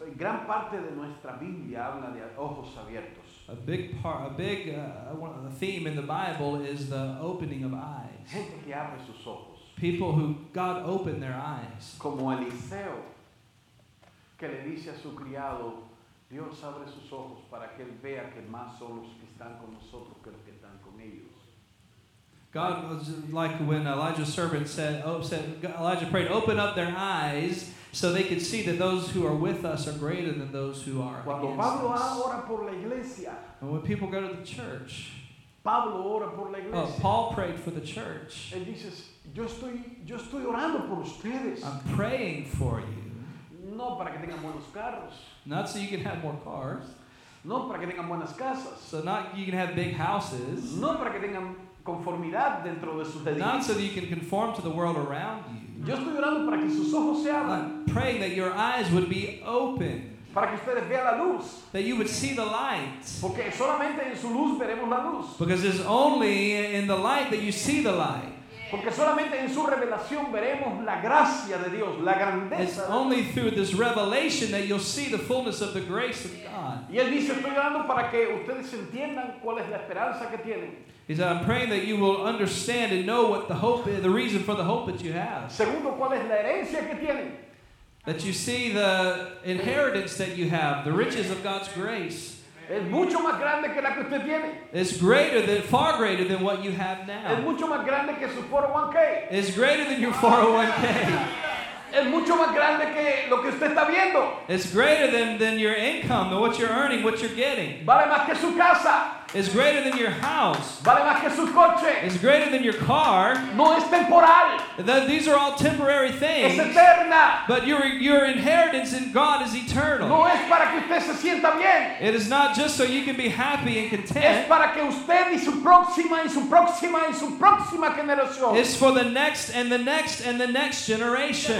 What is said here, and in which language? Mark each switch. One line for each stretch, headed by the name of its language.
Spanish: Gran parte de nuestra Biblia habla de ojos abiertos.
English: A theme in the Bible is the opening of eyes.
Spanish: Gente que abre sus ojos.
English: People who God opened their eyes.
Spanish: Como Eliseo, que le dice a su criado, Dios abre sus ojos para que él vea que más son los que están con nosotros que los que están con ellos.
English: God was like when Elijah's servant said, Elijah prayed, open up their eyes so they could see that those who are with us are greater than those who are
Spanish: cuando
English: against
Spanish: Pablo
English: us.
Spanish: Ora por la iglesia,
English: and when people go to the church,
Spanish: Pablo ora por la iglesia,
English: Paul prayed for the church. And he says,
Spanish: yo estoy orando por ustedes.
English: I'm praying for you.
Spanish: No para que tengan buenos carros.
English: Not so you can have more cars.
Spanish: No para que tengan buenas casas.
English: So not you can have big houses.
Spanish: No para que tengan conformidad dentro de sus edificios.
English: Not so that you can conform to the world around you.
Spanish: Yo estoy orando para que sus ojos se abran.
English: I'm praying that your eyes would be open.
Spanish: Para que ustedes vean la luz.
English: That you would see the light.
Spanish: Porque solamente en su luz veremos la luz.
English: Because it's only in the light that you see the light.
Spanish: Porque solamente en su revelación veremos la gracia de Dios, la grandeza.
English: It's only through this revelation that you'll see the fullness of the grace of God.
Spanish: Y él dice, estoy orando para que ustedes entiendan cuál es la esperanza que tienen.
English: He said, I'm praying that you will understand and know what the hope is, the reason for the hope that you have.
Spanish: Segundo, ¿cuál es la herencia que tienen?
English: That you see the inheritance that you have, the riches of God's grace.
Spanish: Es mucho más grande que la que usted tiene.
English: It's greater than, far greater than what you have now.
Spanish: Es mucho más grande que su 401k.
English: It's greater than your 401k.
Spanish: Es mucho más grande que lo que usted está viendo.
English: It's greater than your income, what you're earning, what you're getting.
Spanish: Vale más que su casa.
English: It's greater than your house.
Spanish: Vale más que su coche.
English: It's greater than your car.
Spanish: No es temporal.
English: These are all temporary things.
Spanish: Es eterna.
English: But your inheritance in God is eternal.
Spanish: No es para que usted se sienta bien.
English: It is not just so you can be happy and content.
Spanish: Es para que usted y su próxima y su próxima y su próxima generación.
English: It's for the next and the next and the next generation.